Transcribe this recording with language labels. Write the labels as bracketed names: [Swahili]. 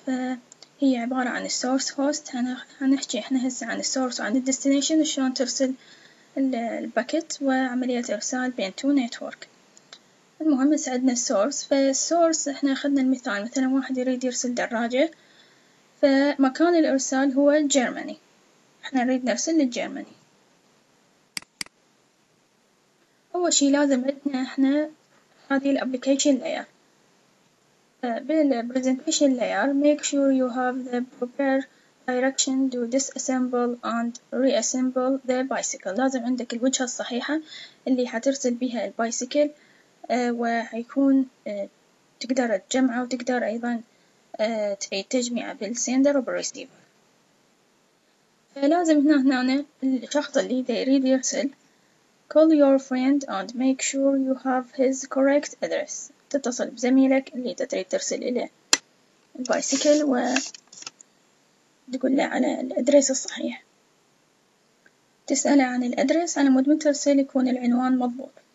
[Arabic] فهي عبارة عن الـ Source Host، حنحكي احنا هسه عن الـ Source وعن الـ Destination، شلون ترسل الـ Packet وعملية إرسال بين 2 Network. المهم سعدنا السورس، فالسورس احنا اخذنا المثال مثلا واحد يريد يرسل دراجة، فمكان الارسال هو جيرماني، احنا نريد نرسل للجيرماني. اول شي لازم عندنا احنا هذه الابليكيشن لاير، بالبرزنتيشن لاير [English] make sure you have the proper direction to disassemble and reassemble the bicycle. [Arabic] لازم عندك الوجهة الصحيحة اللي حترسل بها البايسيكل، وهيكون تقدر تجمع وتقدر أيضا تجميع بالسيندر وبالريسيفر. فلازم هنا الشخص اللي يريد يرسل [English] call your friend and make sure you have his correct address، [Arabic] تتصل بزميلك اللي تريد ترسل إليه البايسيكل وتقول له على الأدرس الصحيح، تسأله عن الأدرس على مود من ترسل يكون العنوان مضبوط.